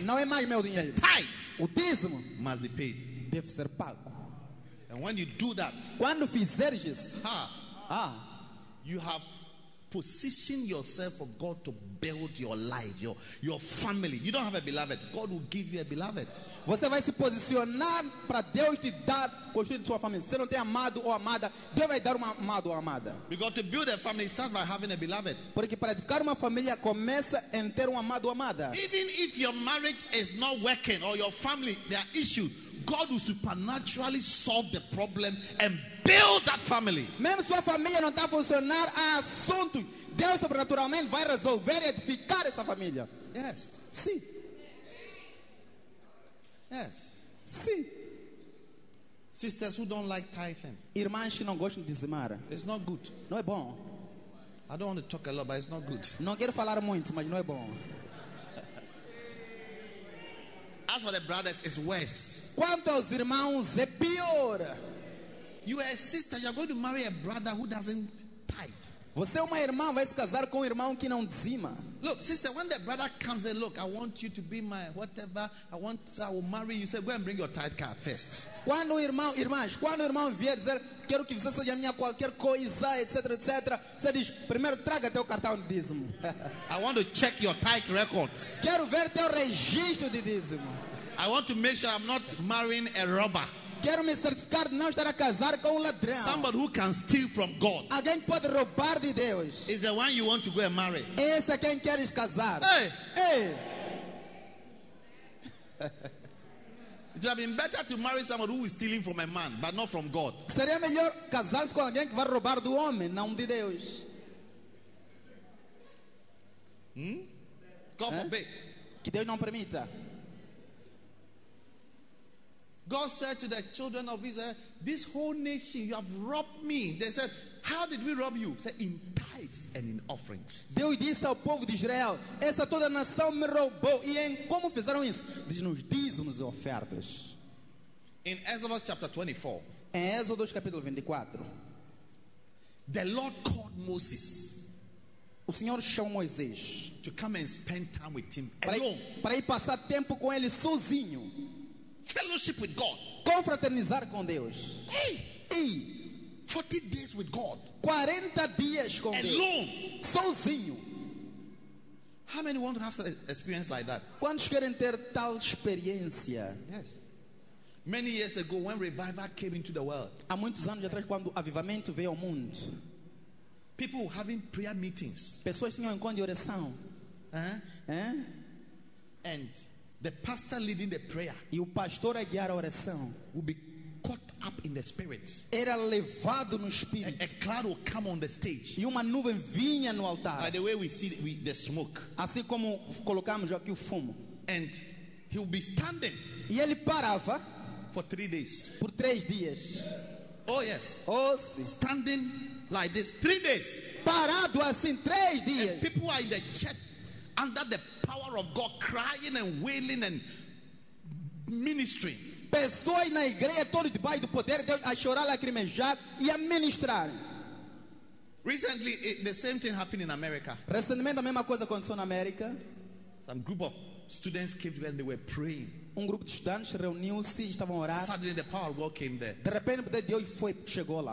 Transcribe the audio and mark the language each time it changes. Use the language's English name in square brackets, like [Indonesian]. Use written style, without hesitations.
[Portuguese] Não é mais meu dinheiro. [English] Tithe. [Portuguese] O dízimo. [English] Must be paid. [Portuguese] Deve ser pago. [English] And when you do that. [Portuguese] Quando fizeres isso. [English] You have positioned yourself for God to build your life, your family. You don't have a beloved. God will give you a beloved. [Portuguese] Você vai se posicionar para Deus te dar construir sua família. Se não tem amado ou amada, Deus vai dar uma amado ou amada. [English] Because to build a family starts by having a beloved. [Portuguese] Porque para edificar uma família começa em ter um amado ou amada. [English] Even if your marriage is not working or your family there are issues, God will supernaturally solve the problem and build that family. [Portuguese] Mesmo sua família não está funcionando, há assunto. Deus sobrenaturalmente vai resolver e edificar essa família. [English] Yes. [Portuguese] Sim. [English] Yes. [Portuguese] Sim. [English] Sisters who don't like tithing. [Portuguese] Irmãs que não gostam de dizimar. [English] It's not good. [Portuguese] Não é bom. [English] I don't want to talk a lot, but it's not good. [Portuguese] Não quero falar muito, mas não é bom. [English] As for the brothers, it's worse. [Portuguese] Quanto aos irmãos, é pior. [English] You are a sister, you are going to marry a brother who doesn't tithe. [Portuguese] Você é uma irmã, vai se casar com um irmão que não dizima. [English] Look, sister, when the brother comes and look, I want you to be my whatever, I will marry you, say, go and bring your tithe card first. [Portuguese] Quando o irmão, irmãs, quando o irmão vier dizer, quero que você seja minha qualquer coisa, etc, etc, você diz, primeiro traga teu cartão de dízimo. [English] I want to check your tithe records. [Portuguese] Quero ver teu registro de dízimo. [English] I want to make sure I'm not marrying a robber. [Portuguese] Quero me certificar de não estar a casar com um ladrão. [English] Somebody who can steal from God. [Portuguese] Alguém pode roubar de Deus. [English] Is the one you want to go and marry. [Portuguese] Esse é quem queres casar. [English] Hey. It would have been better to marry somebody who is stealing from a man, but not from God. [Portuguese] Seria melhor casar-se com alguém que vai roubar do homem, não de Deus. [English] God forbid. [Portuguese] Que Deus não permita. [English] God said to the children of Israel, this whole nation, you have robbed me. They said, how did we rob you? He said, in tithes and in offerings. [Portuguese] Deus disse ao povo de Israel, essa toda nação me roubou. E em como fizeram isso? Diz nos dízimos e ofertas. [English] In Exodus chapter 24. [Portuguese] Em Êxodo capítulo 24. [English] The Lord called Moses. [Portuguese] O Senhor chamou Moisés. [English] To come and spend time with him alone. [Portuguese] Para ir passar tempo com ele sozinho. [English] Fellowship with God. [Portuguese] Confraternizar com Deus. [English] Hey. 40 days with God. [Portuguese] 40 dias com [English] alone. [Portuguese] Deus. [English] Alone. [Portuguese] Sozinho. [English] How many want to have an experience like that? [Portuguese] Quantos querem ter tal experiência? [English] Yes. Many years ago when revival came into the world. [Portuguese] Há muitos anos atrás quando avivamento veio ao mundo. [English] People having prayer meetings. [Portuguese] Pessoas tinham encontro de oração. [English] And the pastor leading the prayer, [Portuguese] e o pastor a guiar a oração, [English] will be caught up in the spirit. [Portuguese] Era levado no espírito. [English] A cloud will come on the stage. [Portuguese] E uma nuvem vinha no altar. [English] By the way, we see the smoke. [Portuguese] Assim como colocamos aqui o fumo. [English] And he will be standing. [Portuguese] E ele parava. [English] For 3 days. [Portuguese] Por 3 dias. [English] Oh yes. [Portuguese] Oh sim. [English] Standing like this, 3 days. [Portuguese] Parado assim 3 dias. [English] And people are in the church under the power of God, crying and wailing and ministering. [Portuguese] Pessoas na igreja todo debaixo do poder de Deus a chorar, lacrimejar e a ministrar. [English] Recently, the same thing happened in America. [Portuguese] Recentemente a mesma coisa aconteceu na América. [English] Some group of students came together and they were praying. [Portuguese] Um grupo de estudantes reuniu-se e estavam orando. [English] Suddenly, the power of God came there. [Portuguese] De repente, o poder de Deus foi chegou lá.